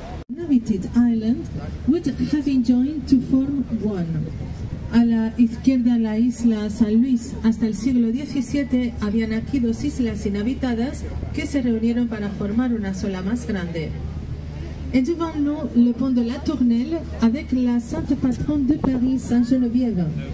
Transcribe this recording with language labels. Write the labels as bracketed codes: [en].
[en] inhabited island would have joined to form one. [es] A la izquierda la isla San Luis. Hasta el siglo XVII habían aquí dos islas inhabitadas que se reunieron para formar una sola más grande. [fr] Et devant nous, le pont de la Tournelle avec la Sainte Patronne de Paris, Saint-Geneviève.